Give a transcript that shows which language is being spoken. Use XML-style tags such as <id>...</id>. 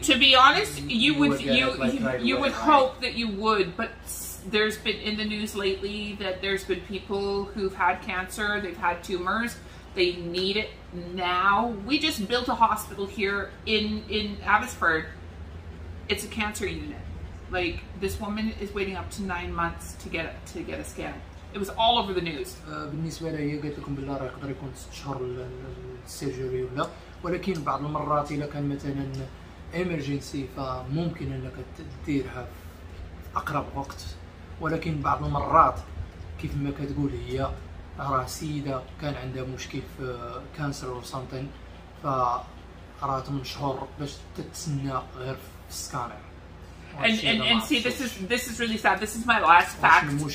<en>to be honest, you would hope that you would, but there's been in the news lately that there's been people who've had cancer, they've had tumors, they need it now. We just built a hospital here in Abbotsford. It's a cancer unit. Like this woman is waiting up to 9 months to get a scan. It was all over the news.</en> <ar>بالنسبة لي قلت لكم بالله راه يقدر يكون 6 شهور السيرجري ولا, ولكن بعض المرات إذا كان مثلا emergency فممكن أنك تديرها في أقرب وقت, ولكن بعض المرات كيف ما كتقول هي راه سيدة كان عندها مشكل في</ar> <en>cancer or something</en> <ar>فراه 8 شهور باش تتسنى غير في السكانر.</ar> <en>And see, this is really sad. This is my last fact.</en>